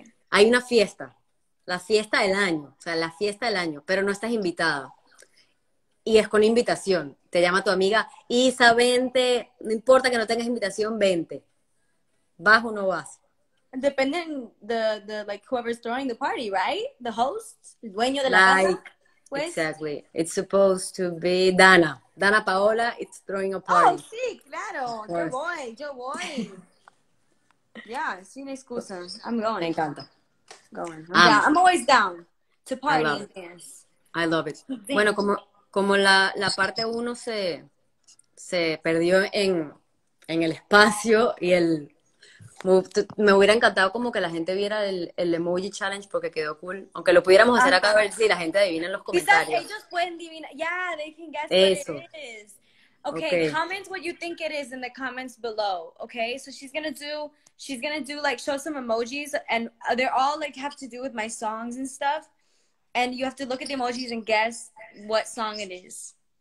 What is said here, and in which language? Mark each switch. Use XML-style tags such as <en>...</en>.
<es>Hay una fiesta, la fiesta del año, o sea, la fiesta del año, pero no estás invitada. Y es con invitación. Te llama tu amiga, Isa, vente, no importa que no tengas invitación, vente. ¿Vas o no vas?</es> <en>Depending the like whoever's throwing the party, right? The host,</en> <es>el dueño de la</es> <en>Like,</en> <es>casa. Pues.</es> <en>exactly. It's supposed to be Dana. Dana Paola, it's throwing a party.</en> <es>Oh, sí, claro. Yo voy. Yeah, sin excusas.</es> <en>I'm going.</en> <es>Me encanta.</es> <en>Going. I'm always down to party and dance. I love it. Dance.</en> <es>Bueno, como la parte uno se perdió en el espacio y el... Me hubiera encantado como que la gente viera el emoji challenge porque quedó cool. Aunque lo pudiéramos hacer acá a ver si la gente adivina en los comentarios. Quizás ellos pueden adivinar.</es> <en>Yeah, they can guess eso. What it is. Okay, okay, comment what you think it is in the comments below, okay? So she's gonna do like show some emojis and they're all like have to do with my songs and stuff. And you have to look at the emojis and guess what song it is.</en>